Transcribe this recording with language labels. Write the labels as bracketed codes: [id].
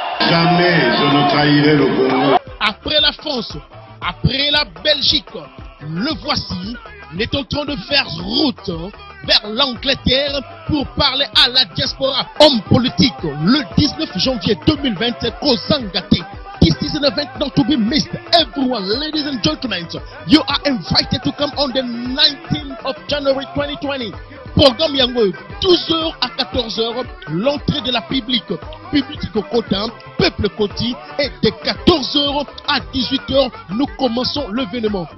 [fr] Jamais je ne trahirai le Congo. Après la France, après la Belgique, le voici, il est en train de faire route vers l'Angleterre pour parler à la diaspora. Homme politique, le 19 janvier 2020, Kozangate. [en] This is an event not to be missed. Everyone, ladies and gentlemen, you are invited to come on the 19th of January 2020. [fr] Programme Yango, 12h à 14h, l'entrée de la publique, publique Kota, peuple Koti, et de 14h à 18h, nous commençons l'événement.